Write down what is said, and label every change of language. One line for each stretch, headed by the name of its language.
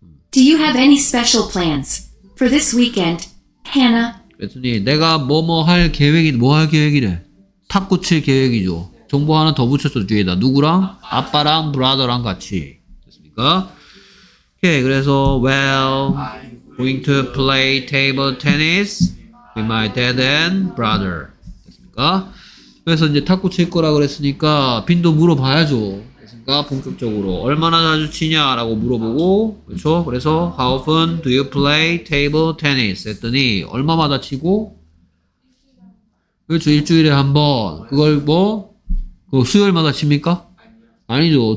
English: Do you have any special plans for this weekend?
Korean: 헤나. 그랬더니 내가 뭐뭐 할 계획이 뭐 할 계획이래? 탁구 칠 계획이죠. 정보 하나 더 붙였어 뒤에다. 누구랑? 아빠랑 브라더랑 같이. 됐습니까? 오케이. 그래서
English: well, going to play table tennis with my dad and brother.
Korean: 됐습니까? 그래서 이제 탁구 칠 거라 그랬으니까 빈도 물어봐야죠. 됐습니까? 본격적으로 얼마나 자주 치냐라고 물어보고 그렇죠? 그래서
English: How often do you play table tennis?
Korean: 했더니 얼마마다 치고 그렇죠? 일주일에 한 번 그걸 뭐? 그 수요일마다 칩니까? 아니죠.